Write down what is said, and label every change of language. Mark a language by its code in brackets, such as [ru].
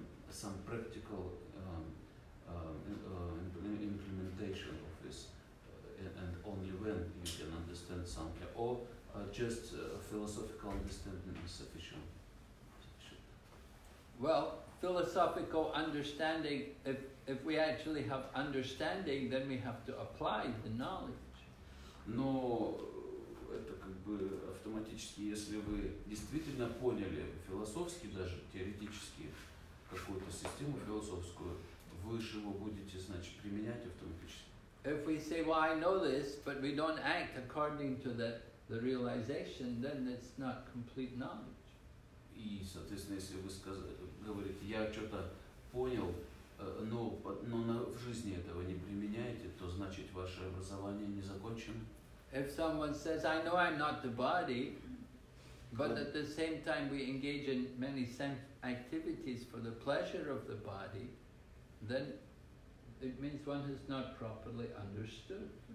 [en] some practical implementation of this, and only when you can understand Sankhya, or just philosophical understanding is sufficient. Well, philosophical understanding, if we actually have understanding, then we have to apply the knowledge. [ru] Но это как бы автоматически, если вы действительно поняли философски, даже теоретически, какую-то систему философскую, вы же его будете, значит, применять автоматически. [en] If we say, well, I know this, but we don't act according to the realization, then it's not complete knowledge. [ru] И, соответственно, если вы говорите, я что-то понял, но в жизни этого не применяете, то значит ваше образование не закончено. [en] If someone says, I know I'm not the body, but at the same time we engage in many activities for the pleasure of the body, then it means one has not properly understood.